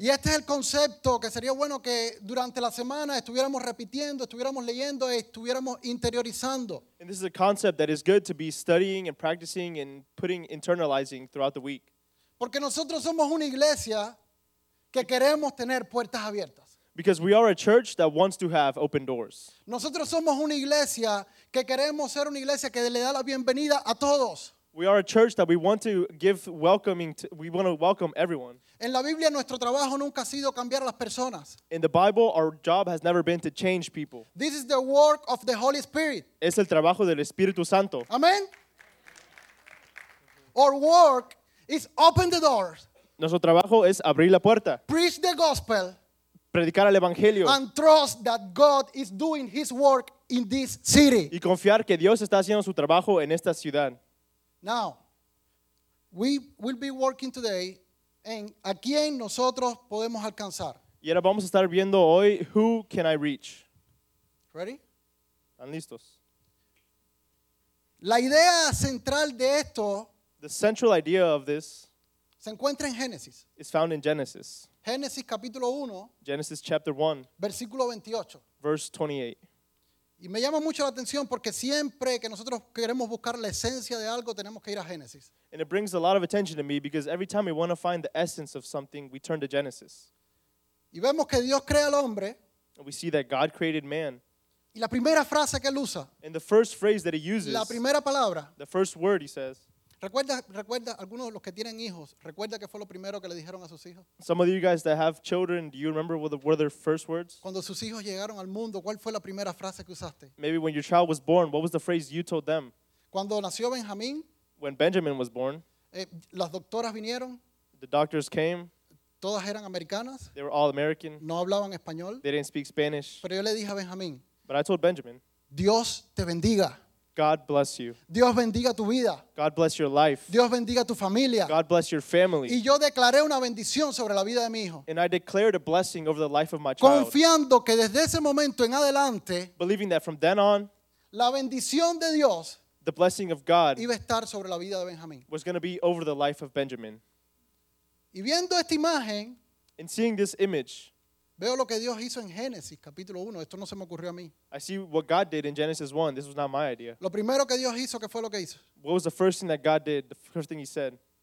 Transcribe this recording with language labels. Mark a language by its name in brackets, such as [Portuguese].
[Spanish] Y este es el concepto que sería bueno que durante la semana estuviéramos repitiendo, estuviéramos leyendo, estuviéramos interiorizando. [English] And this is a concept that is good to be studying and practicing and putting internalizing throughout the week. [Spanish] Porque nosotros somos una iglesia que queremos tener puertas abiertas. [English] Because we are a church that wants to have open doors. [Spanish] Nosotros somos una iglesia que queremos ser una iglesia que le da la bienvenida a todos. [English] We are a church that we want to give welcoming to, we want to welcome everyone. [Spanish] En la Biblia nuestro trabajo nunca ha sido cambiar a las personas. [English] In the Bible our job has never been to change people. This is the work of the Holy Spirit. [Spanish] Es el trabajo del Espíritu Santo. [English] Amen. Our work is open the doors. [Spanish] Nuestro trabajo es abrir la puerta. [English] Preach the gospel. [Spanish] Predicar el evangelio. [English] And trust that God is doing his work in this city. [Spanish] Y confiar que Dios está haciendo su trabajo en esta ciudad. [English] Now, we will be working today in a [Spanish] quien nosotros podemos alcanzar. Y ahora vamos a estar viendo hoy [English] who can I reach. Ready? [Spanish] ¿Están listos? La idea central de esto, [English] the central idea of this, [Spanish] se encuentra en Génesis. [English] Is found in Genesis. [Spanish] Génesis capítulo 1, [English] Genesis chapter 1, [Spanish] versículo 28. [English] Verse 28. [Spanish] Y me llama mucho la atención porque siempre que nosotros queremos buscar la esencia de algo, tenemos que ir a Génesis. [English] And it brings a lot of attention to me because every time we want to find the essence of something, we turn to Genesis. [Spanish] Y vemos que Dios crea al hombre. [English] And we see that God created man. [Spanish] Y la primera frase que él usa. [English] And the first phrase that he uses. [Spanish] La primera palabra. [English] The first word he says. [Spanish] Recuerda algunos de los que tienen hijos. Recuerda que fue lo primero que le dijeron a sus hijos. [English] Some of you guys that have children, do you remember what were their first words? [Spanish] Cuando sus hijos llegaron al mundo, ¿cuál fue la primera frase que usaste? [English] Maybe when your child was born, what was the phrase you told them? [Spanish] Cuando nació Benjamín. [English] When Benjamin was born. [Spanish] Las doctoras vinieron. [English] The doctors came. [Spanish] Todas eran americanas. [English] They were all American. [Spanish] No hablaban español. [English] They didn't speak Spanish. [Spanish] Pero yo le dije a Benjamín. [English] But I told Benjamin. [Spanish] Dios te bendiga. [English] God bless you. [Spanish] Dios bendiga tu vida. [English] God bless your life. [Spanish] Dios bendiga tu familia. [English] God bless your family. [Spanish] Y yo declaré una bendición sobre la vida de mi hijo. [English] And I declared a blessing over the life of my child. [Spanish] Confiando que desde ese momento en adelante, [English] believing that from then on, [Spanish] la bendición de Dios, [English] the blessing of God, [Spanish] iba a estar sobre la vida de Benjamín. [English] Was going to be over the life of Benjamin. [Spanish] Y viendo esta imagen, [English] and seeing this image, [Spanish] veo lo que Dios hizo en Génesis, capítulo 1. Esto no se me ocurrió a mí. [English] I see what God did in Genesis 1. This was not my idea. [Spanish] Lo primero que Dios hizo, ¿qué fue lo que hizo? [English] What was the first thing that God did, the first thing he said?